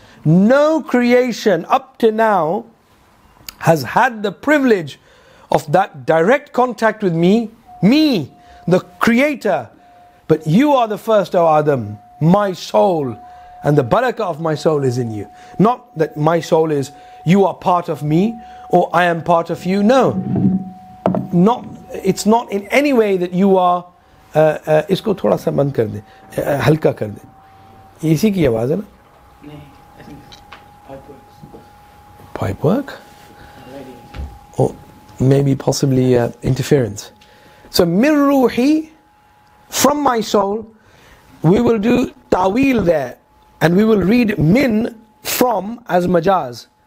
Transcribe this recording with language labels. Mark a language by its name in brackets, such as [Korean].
[English] No creation up to now has had the privilege of that direct contact with me, the creator. But you are the first, O Adam, my soul, and the barakah of my soul is in you. Not that my soul is, you are part of me, or I am part of you. No, not. It's not in any way that you are. [Urdu] اسکو تھوڑا سا بند کر دے، ہلکا کر دے۔ اسی کی آواز ہے نا؟ Nahi, [English] I think pipe works. Pipe work? Or maybe possibly interference. So mirruhi, from my soul, we will do ta'wil there, and we will read min from as majaz.